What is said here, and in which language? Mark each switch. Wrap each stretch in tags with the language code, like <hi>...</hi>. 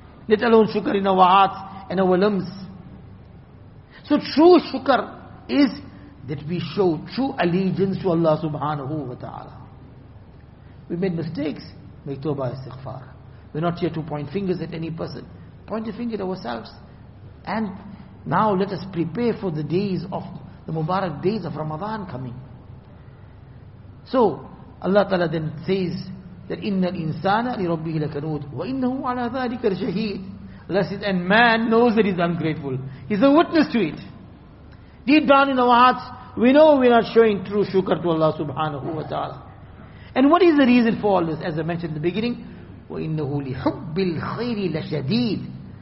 <en>Let alone shukr in our hearts and our limbs. So true shukr is that we show true allegiance to Allah subhanahu wa ta'ala. We made mistakes, make tawbah istighfar. We're not here to point fingers at any person. Point a finger at ourselves. And now let us prepare for the days of the Mubarak days of Ramadan coming. So Allah ta'ala then says that</en> <ar>إِنَّ الْإِنسَانَ لِرَبِّهِ لَكَنُودِ وَإِنَّهُ عَلَىٰ ذَٰلِكَ الْشَهِيدِ.</ar> <en>And man knows that he's ungrateful. He's a witness to it. Deep down in our hearts, we know we're not showing true shukr to Allah subhanahu wa ta'ala. And what is the reason for all this? As I mentioned in the beginning,</en> <ar>وَإِنَّهُ لِحُبِّ الْخَيْرِ لَشَدِيدٌ.</ar>